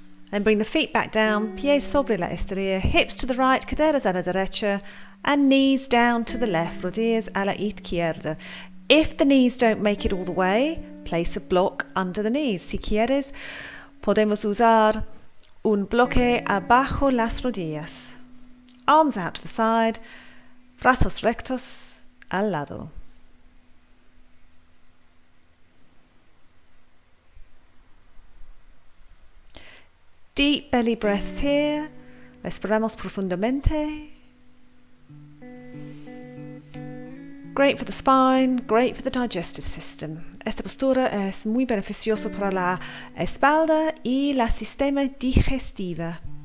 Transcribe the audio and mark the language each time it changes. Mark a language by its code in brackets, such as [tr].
[en] Then bring the feet back down, [es] pies sobre la estrella, [en] hips to the right, [es] caderas a la derecha, [en] and knees down to the left, [es] rodillas a la izquierda. [en] If the knees don't make it all the way, place a block under the knees. [es] Si quieres, podemos usar un bloque abajo las rodillas. [en] Arms out to the side, [es] brazos rectos al lado. [en] Deep belly breaths here, [es] respiramos profundamente. [en] Great for the spine, great for the digestive system. [es] Esta postura es muy beneficiosa para la espalda y la sistema digestiva.